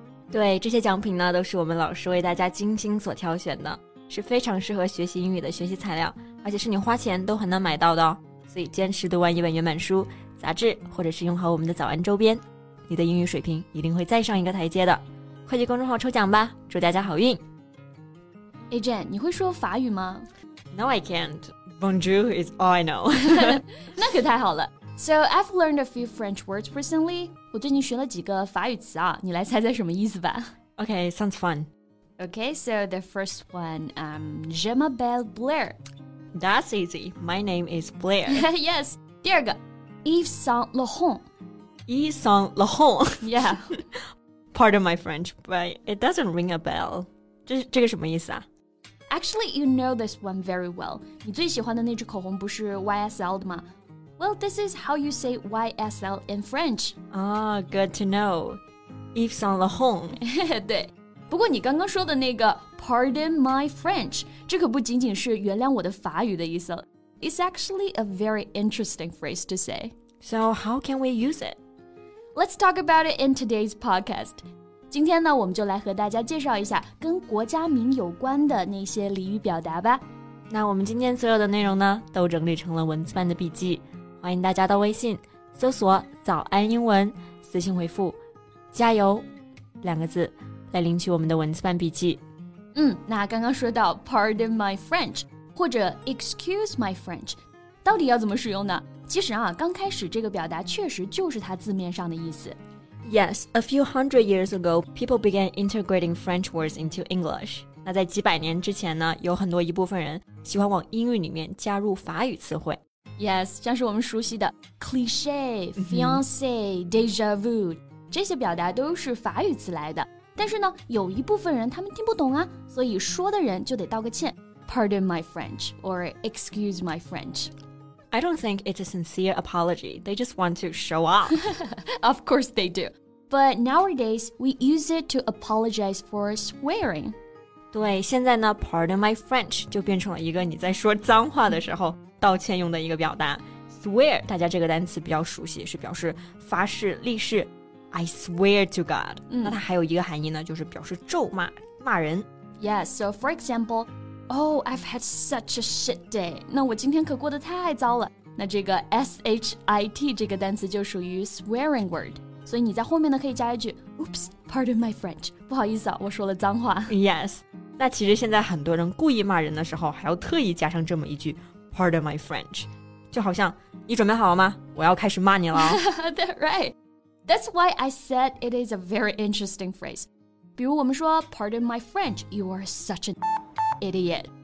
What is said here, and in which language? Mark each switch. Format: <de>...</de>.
<zh>对，这些奖品呢，都是我们老师为大家精心所挑选的，是非常适合学习英语的学习材料，而且是你花钱都很难买到的哦。所以坚持读完一本原版书、杂志，或者是用好我们的早安周边，你的英语水平一定会再上一个台阶的。快去公众号抽奖吧，祝大家好运。 Hey Jen, 你会说法语吗？</zh> <en>No, I can't. Bonjour is all I know.</en> <zh>那可太好了。</zh> <en>So, I've learned a few French words recently.</en> <zh>我最近学了几个法语词啊，你来猜猜什么意思吧。</zh> <en>Okay, sounds fun. Okay, so the first one,</en> <fr>je m'appelle Blair.</fr> <en>That's easy. My name is Blair. Yes.</en> <zh>第二个 Yves Saint Laurent.</zh> <fr>Yves Saint Laurent.</fr> <en>Yeah. Pardon my French, but it doesn't ring a bell.</en> <zh>这个什么意思啊？</zh> <en>Actually, you know this one very well.</en> <zh>你最喜欢的那支口红不是 YSL 的吗？</zh> <en>Well, this is how you say YSL in French. Ah, good to know. Yves Saint Laurent.</en> <zh>对，不过你刚刚说的那个</zh> <en>Pardon my French,</en> <zh>这可不仅仅是原谅我的法语的意思。</zh> <en>It's actually a very interesting phrase to say. So how can we use it? Let's talk about it in today's podcast.</en> <zh>今天呢，我们就来和大家介绍一下跟国家名有关的那些俚语表达吧。那我们今天所有的内容呢，都整理成了文字版的笔记。欢迎大家到微信搜索早安英文，私信回复加油两个字来领取我们的文字版笔记。嗯，那刚刚说到</zh> <en>Pardon my French</en> <zh>或者</zh> <en>Excuse my French</en> <zh>到底要怎么使用呢？其实啊，刚开始这个表达确实就是它字面上的意思。</zh> <en>Yes, a few hundred years ago, people began integrating French words into English.</en> <zh>那在几百年之前呢，有很多一部分人喜欢往英语里面加入法语词汇。 Yes, 像是我们熟悉的 cliché, fiancé, déjà vu, 这些表达都是法语词来的。但是呢，有一部分人他们听不懂啊，所以说的人就得道个歉。</zh> <en>Pardon my French, or excuse my French. I don't think it's a sincere apology. They just want to show off. Of course they do. But nowadays, we use it to apologize for swearing.</en> <zh>对，现在呢 ,</zh> <en>pardon my French</en> <zh>就变成了一个你在说脏话的时候。道歉用的一个表达 swear 大家这个单词比较熟悉是表示发誓立誓</zh> <en>I swear to God、</en> <zh>那它还有一个含义呢就是表示咒骂骂人</zh> <en>Yes, so for example Oh, I've had such a shit day</en> <zh>那我今天可过得太糟了那这个 shit 这个单词就属于 swearing word 所以你在后面呢可以加一句</zh> <en>Oops, pardon my French</en> <zh>不好意思啊我说了脏话 Yes, 那其实现在很多人故意骂人的时候还要特意加上这么一句</zh> <en>Pardon my French.</en> <zh>就好像你准备好了吗我要开始骂你了。</zh> <en>That's right. That's why I said it is a very interesting phrase.</en> <zh>比如我们说</zh> <en>Pardon my French, you are such an idiot.</en>